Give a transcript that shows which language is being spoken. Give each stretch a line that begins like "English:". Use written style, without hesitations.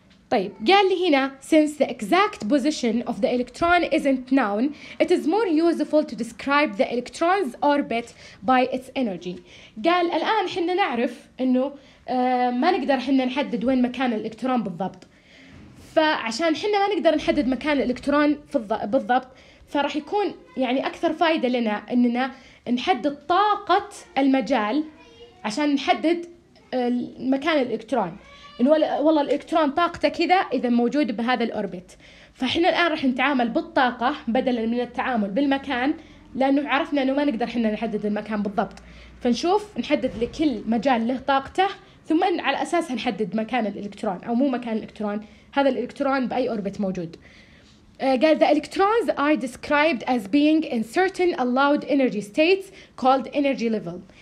Arabic: طيب قال لي هنا
English: since the exact position of the electron isn't known, it is more useful to describe the electron's orbit by its energy.
Arabic: قال الآن حنا نعرف إنه ما نقدر حنا نحدد وين مكان الإلكترون بالضبط، فعشان حنا ما نقدر نحدد مكان الإلكترون بالضبط فراح يكون يعني أكثر فائدة لنا إننا نحدد طاقة المجال عشان نحدد مكان الإلكترون، إنه والله الإلكترون طاقته كذا إذا موجود بهذا الأوربت، فإحنا الآن راح نتعامل بالطاقة بدلاً من التعامل بالمكان، لأنه عرفنا إنه ما نقدر إحنا نحدد المكان بالضبط، فنشوف نحدد لكل مجال له طاقته، ثم إن على أساسها نحدد مكان الإلكترون أو مو مكان الإلكترون، هذا الإلكترون بأي أوربت موجود. قال
English: the electrons are described as being in certain allowed energy states called energy level.